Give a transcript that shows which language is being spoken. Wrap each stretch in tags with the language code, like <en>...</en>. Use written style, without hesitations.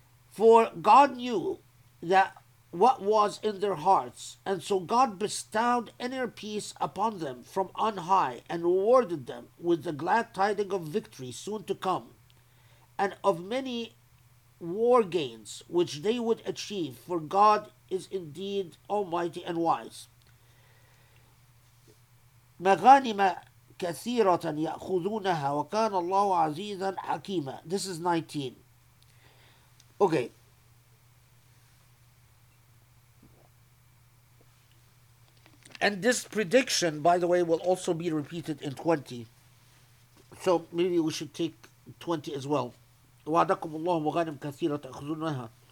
<en>For God knew that what was in their hearts, and so God bestowed inner peace upon them from on high and rewarded them with the glad tidings of victory soon to come, and of many war gains which they would achieve, for God is indeed almighty and wise.</en> <ar>مغانم كثيرة يأخذونها وكان الله عزيزا حكيما.</ar> <en>This is 19. Okay. And this prediction, by the way, will also be repeated in 20. So maybe we should take 20 as well.</en> <ar>وعدكم الله مغانم كثيرة تأخذونها.</ar>